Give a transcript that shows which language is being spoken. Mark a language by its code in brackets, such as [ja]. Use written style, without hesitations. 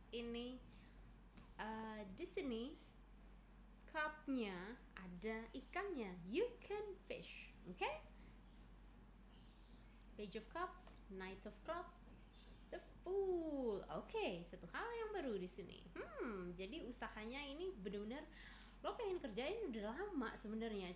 [id] Ini di sini cup-nya ada ikannya. [en] You can fish, okay? Page of Cups, Knight of Clubs, The Fool. [id] Okay, satu hal yang baru di sini. Jadi usahanya ini benar-benar lo pengen kerjain udah lama sebenarnya.